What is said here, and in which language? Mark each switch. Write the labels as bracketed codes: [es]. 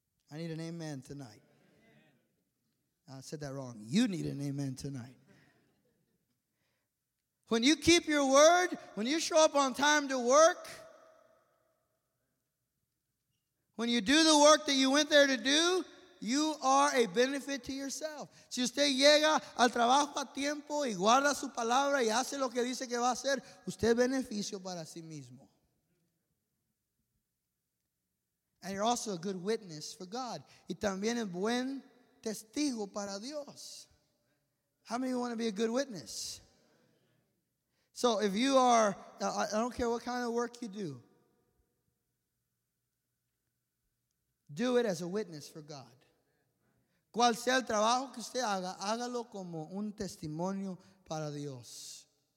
[en] I need an amen tonight. I said that wrong. You need an amen tonight. When you keep your word, when you show up on time to work, when you do the work that you went there to do, you are a benefit to yourself. [es] Si usted llega al trabajo a tiempo y guarda su palabra y hace lo que dice que va a hacer, usted es beneficio para sí mismo. [en] And you're also a good witness for God. [es] Y también es buen testigo para Dios. [en] How many want to be a good witness? So if you are, I don't care what kind of work you do, do it as a witness for God. [es] Cual sea el trabajo que usted haga, hágalo como un testimonio para Dios.